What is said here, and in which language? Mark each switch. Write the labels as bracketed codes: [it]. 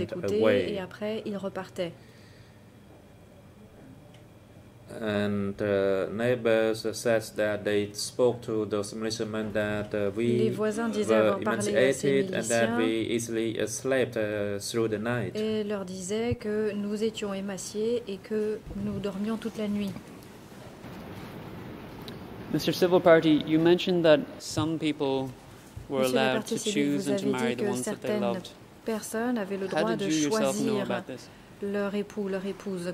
[fr] écouter [en] away. [fr] Et après ils repartaient. [en] And neighbors said that they spoke to those militiamen that we were emaciated and that we easily slept through the night. [fr] Et leur disaient que nous étions émaciés et que nous dormions toute la nuit. [en] Mr. Civil Party, you mentioned that some people were allowed to choose and to marry the ones that they loved. [fr] Certaines personnes avaient le droit de choisir leur époux, leur épouse.